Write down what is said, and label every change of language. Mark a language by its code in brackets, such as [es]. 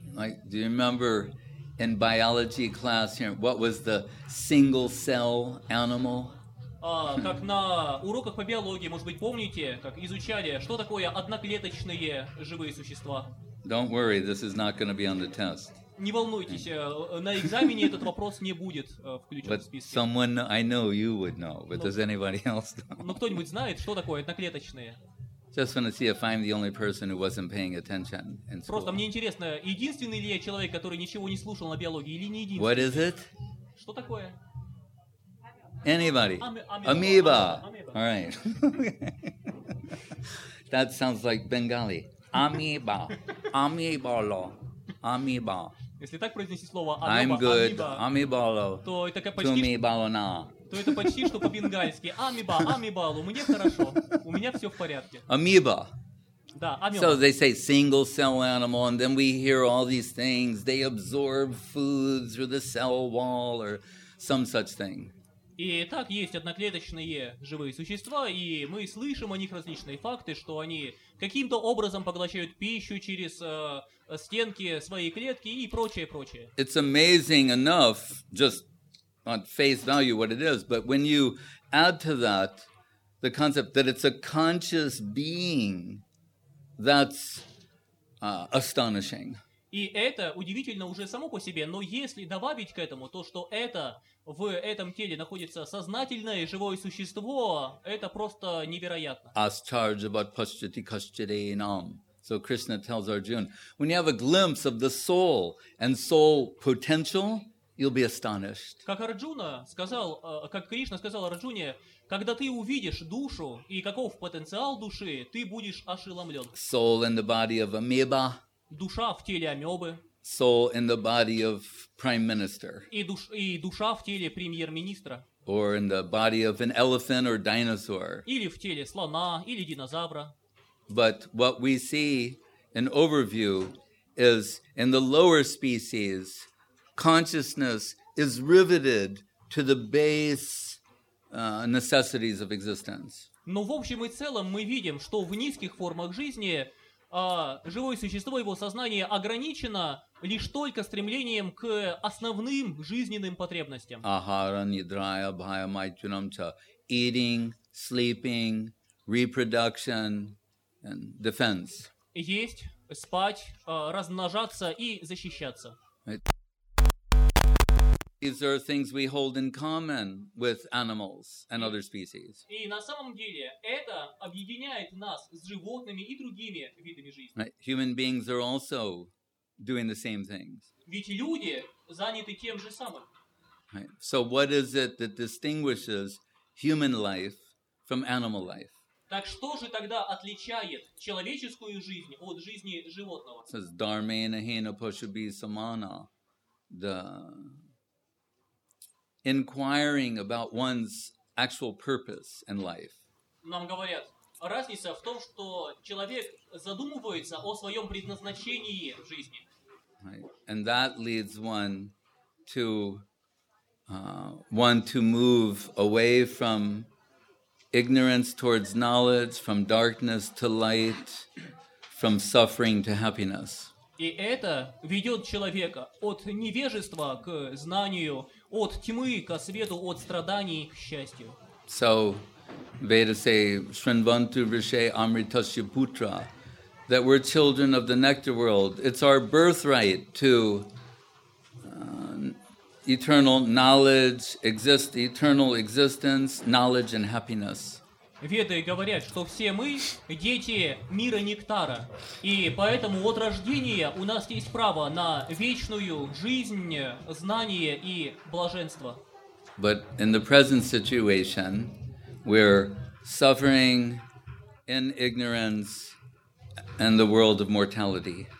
[en] Like, do you remember in biology class here, what was the single cell animal? [ru] Как на уроках по биологии, может быть, помните, как изучали, что такое одноклеточные живые существа? [en] Don't worry, this is not going to be on the test. [ru] не волнуйтесь, на экзамене этот вопрос не будет включен в списке. [en] Someone I know you would know, but does anybody else know? [ru] Ну кто-нибудь знает, что такое одноклеточные? [en] Just want to see if I'm the only person who wasn't paying attention in school. [ru] Просто мне интересно, единственный ли я человек, который ничего не слушал на биологии, или не единственный? [en] What is it? [ru] Что такое? [en] Anybody? Amoeba. All right. That sounds like Bengali. Amoeba. [bn] Amoebalo. [en] Amoeba. [ru] Если так произнести слово амеба, амеба, то это как почти то это почти что по-бенгальски. Амеба, [bn] амебалу. [ru] Мне хорошо. У меня все в порядке. Амеба. Да, амеба. [en] So they say single cell animal, and then we hear all these things. They absorb food through the cell wall or some such thing. [ru] И так есть одноклеточные живые существа, и мы слышим о них различные факты, что они каким-то образом поглощают пищу через стенки своей клетки и прочее, прочее. [en] It's amazing enough, just on face value what it is, but when you add to that the concept that it's a conscious being, that's astonishing. [ru] И это удивительно уже само по себе, но если добавить к этому то, что это в этом теле находится сознательное живое существо, это просто невероятно. [sa] As charge about paschati kaschade inam. [en] So Krishna tells Arjuna, when you have a glimpse of the soul and soul potential, you'll be astonished. [ru] Как Арджуна сказал, как Кришна сказал Арджуне, когда ты увидишь душу и каков потенциал души, ты будешь ошеломлен. [en] Soul in the body of amoeba. [ru] Душа в теле амебы. [en] Soul in the body of prime minister. [ru] И душа в теле премьер-министра. [en] Or in the body of an elephant or dinosaur. [ru] Или в теле слона или динозавра. [en] But what we see in overview is in the lower species, consciousness is riveted to the base necessities of existence. [ru] Но в общем и целом мы видим, что в низких формах жизни живое существо, его сознание ограничено лишь только стремлением к основным жизненным потребностям. [sa] Ахара, нидрая, бхая, майтюнам ча. [en] Eating, sleeping, reproduction. And defense. [ru] Есть, спать, размножаться и защищаться. [en] These are things we hold in common with animals and other species. [ru] И на самом деле это объединяет нас с животными и другими видами жизни. [en] Human beings are also doing the same things. [ru] Ведь люди заняты тем же самым. [en] So what is it that distinguishes human life from animal life? [ru] Так что же тогда отличает человеческую жизнь от жизни животного? [en] It says [sa] dharmena hena pashubhi samana. [en] The inquiring about one's actual purpose in life. [ru] Нам говорят, разница в том, что человек задумывается о своем предназначении в жизни. [en] Right. And that leads one to want to move away from ignorance towards knowledge, from darkness to light, from suffering to happiness. [ru] И это ведет человека от невежества к знанию, от тьмы ко свету, от страданий к счастью. [en] So, Veda say, [sa] Shrinvantu Rishe Amritasya Putra, [en] that we're children of the nectar world. It's our birthright to eternal knowledge, eternal existence, knowledge and happiness. [ru] Веды говорят, что все мы дети мира нектара, и поэтому от рождения у нас есть право на вечную жизнь, знание и блаженство. [en] But in the present situation, we're suffering in ignorance and the world of mortality.